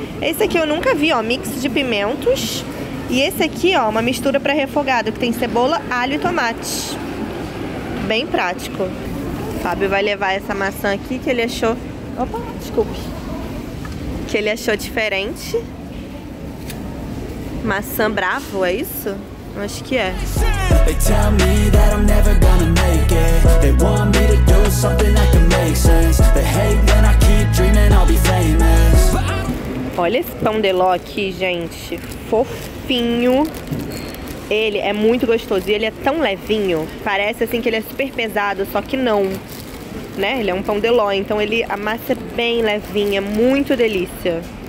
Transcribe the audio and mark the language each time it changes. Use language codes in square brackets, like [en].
[pt] Esse aqui eu nunca vi, ó, mix de pimentos. E esse aqui, ó, uma mistura pra refogado, que tem cebola, alho e tomate. Bem prático. O Fábio vai levar essa maçã aqui que ele achou... Opa, desculpe. Que ele achou diferente. Maçã Bravo, é isso? Acho que é. [en] They tell me that I'm never gonna make it. They want me to do something that can make sense. They hate when I keep dreaming I'll be famous. [pt] Olha esse pão de ló aqui, gente. Fofinho. Ele é muito gostoso. E ele é tão levinho. Parece assim que ele é super pesado, só que não. Né? Ele é um pão de ló. Então ele, a massa é bem levinha. Muito delícia.